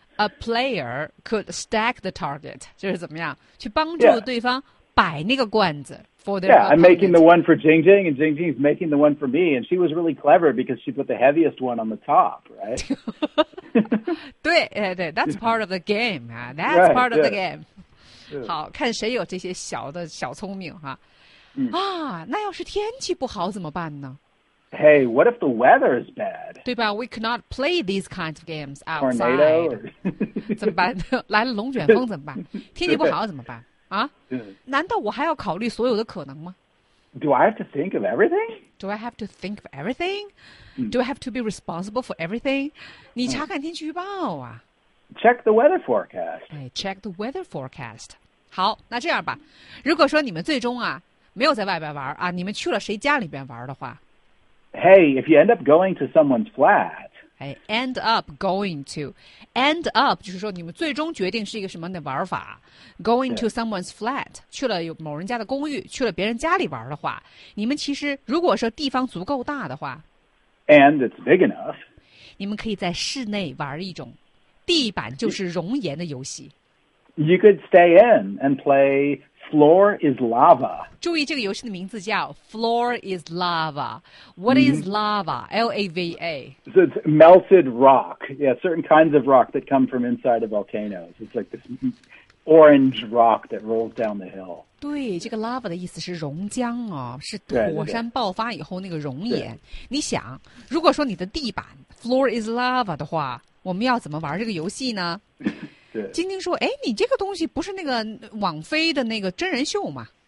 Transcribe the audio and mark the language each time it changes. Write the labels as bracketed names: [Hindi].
[English] a player could stack the target， [Chinese] 就是怎么样去帮助对方、 [English] yeah.。 [Chinese] 摆那个罐子 [English] for the yeah, I'm making the one for Jing Jing, and Jing Jing's making the one for me, and she was really clever because she put the heaviest one on the top, right? [Chinese] 对, 对, 对 [English] that's part of the game,、啊、that's right, part of、 yeah. the game.、 [Chinese] 好，看谁有这些小的小聪明哈、啊。啊，那要是天气不好怎么办呢 [English] ？Hey, what if the weather is bad? [Chinese] 对吧 [English] ？We cannot play these kinds of games outside. Tornado? [Chinese] 怎么办？来了龙卷风怎么办？天气不好怎么办？啊，难道我还要考虑所有的可能吗 [English] ？Do I have to think of everything? Do I have to think of everything? Do I have to be responsible for everything? [Chinese] 你查看天气预报啊 [English] ？Check the weather forecast. 哎 ，check the weather forecast. [Chinese] 好，那这样吧，如果说你们最终啊没有在外边玩啊，你们去了谁家里边玩的话 [English] ？Hey, if you end up going to someone's flat. [Chinese] 哎 ， [English] end up going to, end up [Chinese] 就是说你们最终决定是一个什么的玩法 ， [English] going to someone's flat [Chinese] 去了有某人家的公寓，去了别人家里玩的话，你们其实如果说地方足够大的话 [English] ，and it's big enough， [Chinese] 你们可以在室内玩一种地板就是熔岩的游戏。 [English] You could stay in and play floor is lava。 [Chinese] 注意这个游戏的名字叫 floor is lava。 [English] What is lava? L-A-V-A. So it's melted rock. Yeah, certain kinds of rock that come from inside of volcanoes. It's like this orange rock that rolls down the hill. [Chinese] 对，这个 lava 的意思是熔浆哦，是火山爆发以后那个熔岩。你想，如果说你的地板 [English] floor is lava [Chinese] 的话，我们要怎么玩这个游戏呢？晶晶说：“哎，你这个东西不是那个网飞的那个真人秀吗